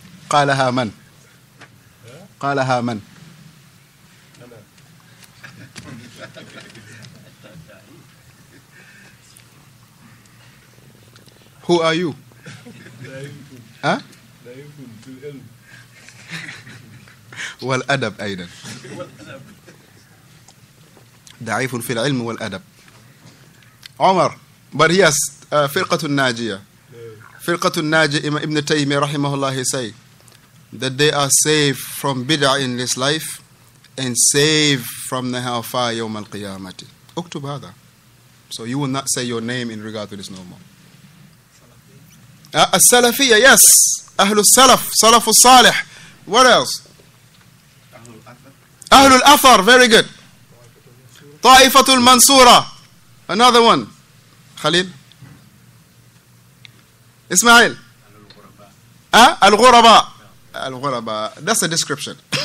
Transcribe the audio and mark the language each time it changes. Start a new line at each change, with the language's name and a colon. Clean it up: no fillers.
Arabic: قالها من؟ قالها من؟
English: Who are you? Huh?
Arabic: والأدب أيضا. ضعيف في العلم والأدب. عمر,
English: but yes,
Arabic: فرقة الناجية. فرقة الناجية ابن تيمية رحمه الله
English: say that they are saved from bid'ah in this life and saved from the hellfire
Arabic: يوم القيامة. اكتب هذا.
English: So you will not say your name in regard to this no more.
Arabic: السلفية,
English: yes,
Arabic: أهل السلف, سلف الصالح.
English: What else?
Arabic: أهل الأثر,
English: very good.
Arabic: طائفة المنصورة,
English: another one.
Arabic: خليل, إسماعيل, الغرباء.
English: الغرباء, that's a description.